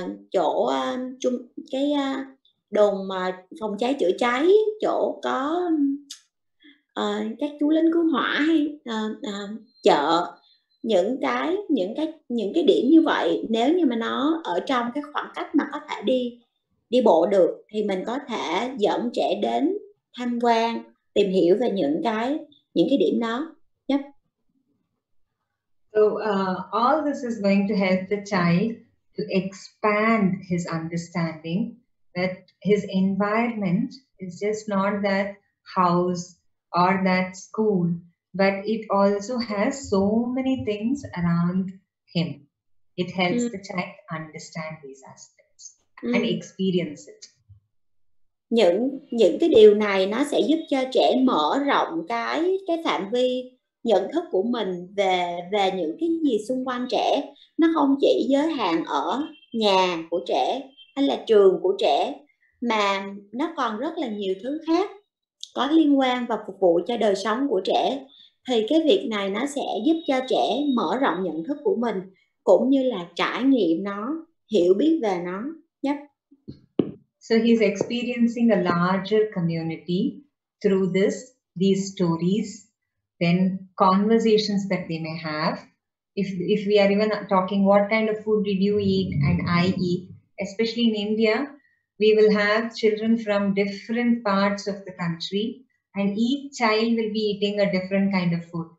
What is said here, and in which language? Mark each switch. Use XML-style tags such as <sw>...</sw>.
<vi>chỗ chung cái đồn mà phòng cháy chữa cháy, chỗ có các chú lính cứu hỏa hay chợ, những cái điểm như vậy, nếu như mà nó ở trong cái khoảng cách mà có thể đi bộ được thì mình có thể dẫn trẻ đến tham quan, tìm hiểu về những cái điểm đó.</vi> <en>Yep. So all this is going to help the child to expand his understanding that his environment is just not that house or that school, but it also has so many things around him. It helps the child understand these aspects and experience it.</en> <vi>Những cái điều này nó sẽ giúp cho trẻ mở rộng cái phạm vi nhận thức của mình về những cái gì xung quanh trẻ. Nó không chỉ giới hạn ở nhà của trẻ hay là trường của trẻ, mà nó còn rất là nhiều thứ khác có liên quan và phục vụ cho đời sống của trẻ. Thì cái việc này nó sẽ giúp cho trẻ mở rộng nhận thức của mình, cũng như là trải nghiệm nó, hiểu biết về nó nhé.</vi> <en>So he's experiencing a larger community through these stories, then conversations that they may have. If we are even talking what kind of food did you eat and I eat, especially in India, we will have children from different parts of the country and each child will be eating a different kind of food.</en>